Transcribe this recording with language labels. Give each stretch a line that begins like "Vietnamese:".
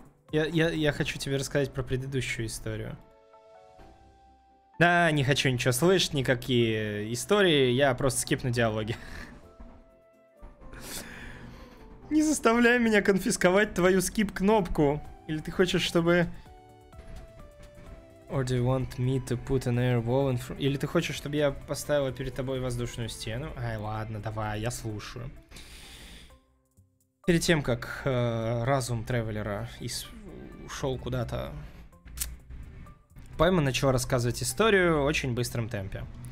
Russian: Я хочу тебе рассказать про предыдущую историю. Да, не хочу ничего слышать, никакие истории. Я просто скипну диалоги. Не заставляй меня конфисковать твою скип-кнопку. Или ты хочешь, чтобы...
English: Or do you want me to put an air wall in front?
Russian: Или ты хочешь, чтобы я поставила перед тобой воздушную стену? Ай, ладно, давай, я слушаю. Перед тем, как разум Тревелера ушел куда-то, Пайман начал рассказывать историю в очень быстром темпе.